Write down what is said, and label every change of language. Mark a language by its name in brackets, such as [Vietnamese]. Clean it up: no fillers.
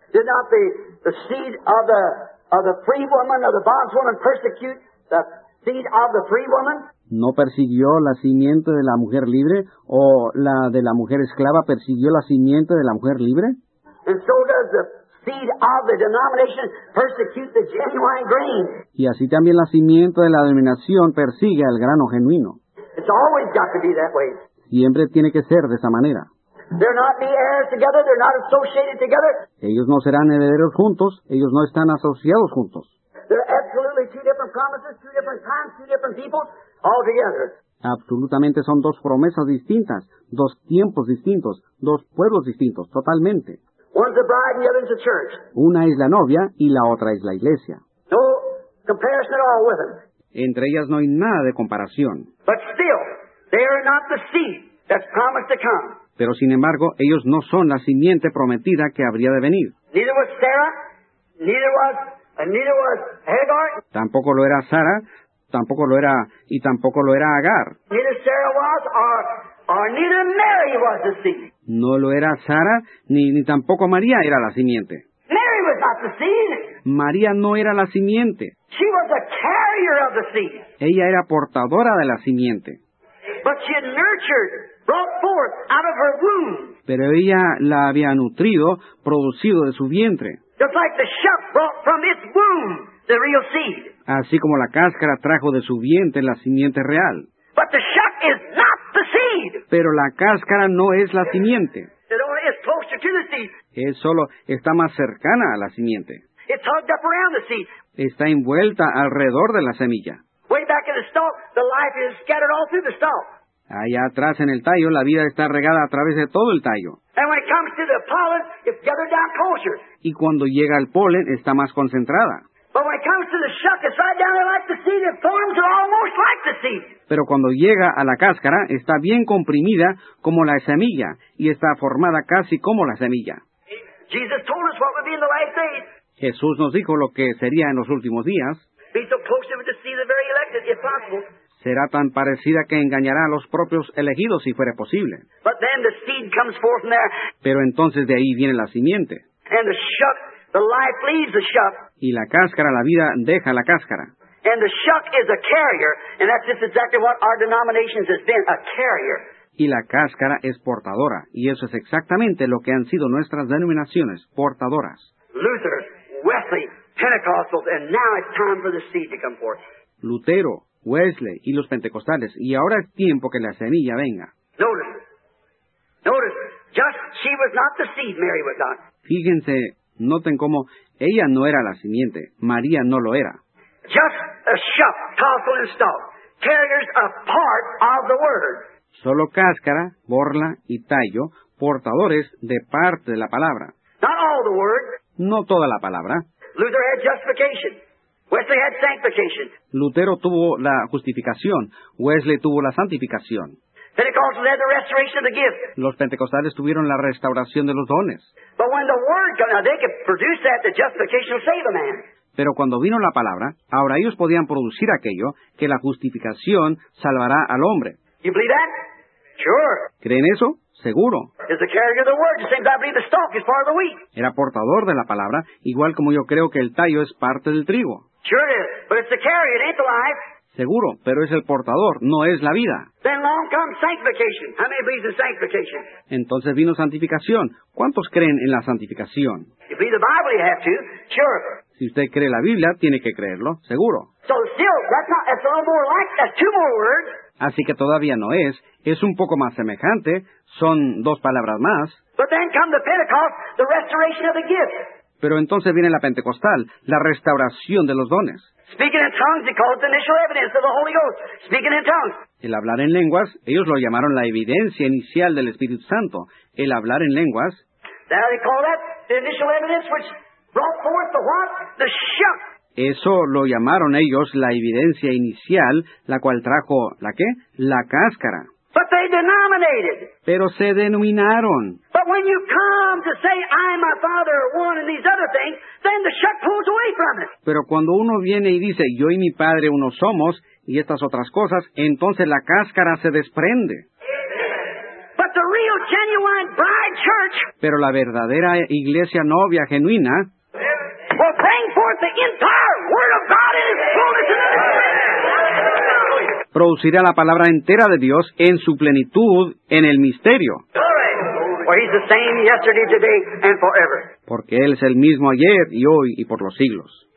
[English] Did not the seed of the free woman, of the bondswoman, persecute the seed of the free woman? [Spanish] ¿No persiguió la simiente de la mujer libre o la de la mujer esclava persiguió la simiente de la mujer libre? [English] And so does the seed of the denomination persecute the genuine grain. [Spanish] Y así también la simiente de la denominación persigue al grano genuino. [English] It's always got to be that way. [Spanish] Siempre tiene que ser de esa manera. [English] They're not the heirs together. They're not associated together. [Spanish] Ellos no serán herederos juntos. Ellos no están asociados juntos. [English] They're absolutely two different promises, two different times, two different people, all together. [Spanish] Absolutamente son dos promesas distintas, dos tiempos distintos, dos pueblos distintos, totalmente. [English] One's the bride and the other's the church. [Spanish] Una es la novia y la otra es la iglesia. [English] No comparison at all with them. [Spanish] Entre ellas no hay nada de comparación. [English] But still, they are not the seed that's promised to come. [Spanish] Pero sin embargo, ellos no son la simiente prometida que habría de venir. [English] Neither was Sarah, neither was Hagar. [Spanish] Tampoco lo era Sara, tampoco lo era, y tampoco lo era Agar. [English] Neither Sarah was, or neither Mary was the seed. [Spanish] No lo era Sara, ni tampoco María era la simiente. [English] Mary was not the seed. [Spanish] María no era la simiente. [English] She was a carrier of the seed. [Spanish] Ella era portadora de la simiente. [English] But she had nurtured, brought forth out of her womb. [Spanish] Pero ella la había nutrido, producido de su vientre. [English] Just like the shuck brought from its womb the real seed. [Spanish] Así como la cáscara trajo de su vientre la simiente real. [English] But the shuck is not the seed. [Spanish] Pero la cáscara no es la simiente. [English] It only is closer to the seed. [Spanish] Es solo, está más cercana a la simiente. [English] It's hugged up around the seed. [Spanish] Está envuelta alrededor de la semilla. [English] Way back in the stalk, the life is scattered all through the stalk. [Spanish] Allá atrás en el tallo, la vida está regada a través de todo el tallo. [English] And when it comes to the pollen, it's gathered down closer. [Spanish] Y cuando llega el polen, está más concentrada. [English] But when it comes to the shuck, it's right down there like the seed. Its forms are almost like the seed. [Spanish] Pero cuando llega a la cáscara, está bien comprimida como la semilla y está formada casi como la semilla. [English] Jesus told us what would be in the last days. [Spanish] Jesús nos dijo lo que sería en los últimos días. [English] Be so close to see the very elected, if possible. [Spanish] Será tan parecida que engañará a los propios elegidos si fuere posible. [English] But then the seed comes forth there. [Spanish] Pero entonces de ahí viene la simiente. [English] And the shuck, the life leaves the shuck. [Spanish] Y la cáscara, la vida deja la cáscara. [English] And the shuck is a carrier, and that's just exactly what our denominations has been, a carrier. [Spanish] Y la cáscara es portadora, y eso es exactamente lo que han sido nuestras denominaciones, portadoras. [English] Luther, Wesley, Pentecostals, and now it's time for the seed to come forth. [Spanish] Lutero, Wesley y los pentecostales, y ahora es tiempo que la semilla venga. [English] Notice, just she was not the seed, Mary was not. [Spanish] Fíjense, noten cómo ella no era la simiente, María no lo era. [English] Just a shuck, tassel and stalk, carriers a part of the word. [Spanish] Solo cáscara, borla y tallo, portadores de parte de la palabra. [English] Not all the word. [Spanish] No toda la palabra. [English] Luther had justification. Wesley had sanctification. [Spanish] Lutero tuvo la justificación. Wesley tuvo la santificación. [English] Pentecostals had the restoration of the gift. [Spanish] Los pentecostales tuvieron la restauración de los dones. [English] But when the word came, now they could produce that, the justification will save a man. [Spanish] Pero cuando vino la palabra, ahora ellos podían producir aquello que la justificación salvará al hombre. [English] You believe that? Sure. [Spanish] ¿Creen eso? Seguro. [English] Is the carrier of the word, the same as I believe the stalk is part of the wheat. [Spanish] Era portador de la palabra, igual como yo creo que el tallo es parte del trigo. [English] Sure it is, but it's the carrier, it ain't the life. [Spanish] Seguro, pero es el portador, no es la vida. [English] Then long comes sanctification. How many believe in sanctification? [Spanish] Entonces vino santificación. ¿Cuántos creen en la santificación? [English] If you believe the Bible, you have to. Sure. [Spanish] Si usted cree la Biblia, tiene que creerlo, seguro. [English] So still, that's a little more like, that's two more words. [Spanish] Así que todavía no es. Es un poco más semejante. Son dos palabras más. [English] But then come the Pentecost, the restoration of the gift. [Spanish] Pero entonces viene la Pentecostal, la restauración de los dones. [English] Speaking in tongues, he called the initial evidence of the Holy Ghost. Speaking in tongues. [Spanish] El hablar en lenguas, ellos lo llamaron la evidencia inicial del Espíritu Santo. El hablar en lenguas. [English] Now they call that the initial evidence which brought forth the what? The shuck. [Spanish] Eso lo llamaron ellos la evidencia inicial, la cual trajo, ¿la qué? La cáscara. [English] But they denominated. [Spanish] Pero se denominaron. [English] But when you come to say, I and my father are one and these other things, then the shuck pulls away from it. [Spanish] Pero cuando uno viene y dice, yo y mi padre uno somos, y estas otras cosas, entonces la cáscara se desprende. [English] But the real genuine bride church. [Spanish] Pero la verdadera iglesia novia genuina. [English] Will bring forth the entire word of God in its fullness and understanding. [Spanish] Producirá la palabra entera de Dios en su plenitud en el misterio. [English] For he's the same yesterday, today, and forever. [Spanish] Porque Él es el mismo ayer y hoy y por los siglos.